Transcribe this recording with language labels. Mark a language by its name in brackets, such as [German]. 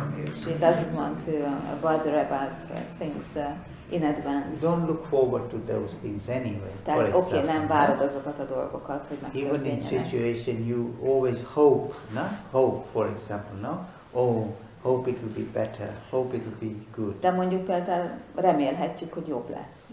[English] She doesn't want to bother about things in advance. Don't look forward to those things anyway. [Hungarian] Tehát oké, nem várod azokat a dolgokat, hogy megtörténjenek. [English] Even in situation you always hope, na? Hope, for example, no? Oh, hope it will be better, hope it will be good. [Hungarian] De mondjuk például remélhetjük, hogy jobb lesz.